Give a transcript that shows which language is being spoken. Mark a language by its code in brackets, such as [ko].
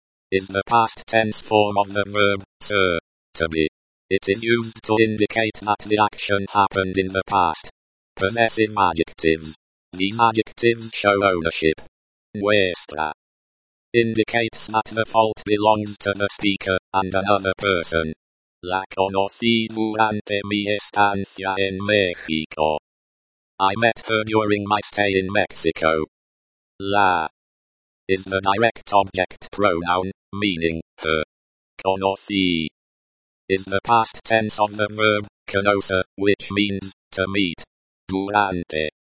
[en] is the past tense form of the verb ser, to be. It is used to indicate that the action happened in the past. Possessive adjectives. These adjectives show ownership. [es] Nuestra [en] indicates that the fault belongs to the speaker and another person. [es] La conocí durante mi estancia en México. [en] I met her during my stay in Mexico. [es] La [en] is the direct object pronoun, meaning her. [es] Conocí [en] is the past tense of the verb conocer, which means to meet. [es] Durante